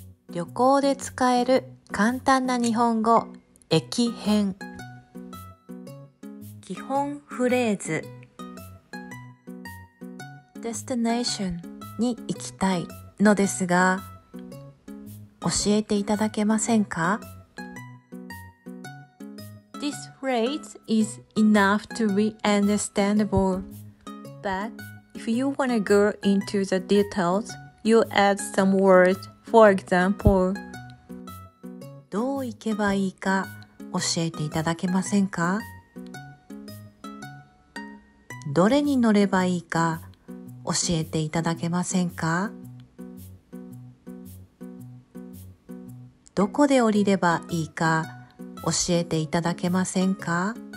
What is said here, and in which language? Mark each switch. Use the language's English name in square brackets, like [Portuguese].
[Japanese] 旅行で使える簡単な日本語、駅編。基本フレーズ。 Destination に行きたいのですが、教えていただけませんか？ [English] This phrase is enough to be understandable. But if you want to go into the details, you add some words, for example. [Japanese] どう行けばいいか教えていただけませんか？どれに乗ればいいか教えていただけませんか？どこで降りればいいか教えていただけませんか？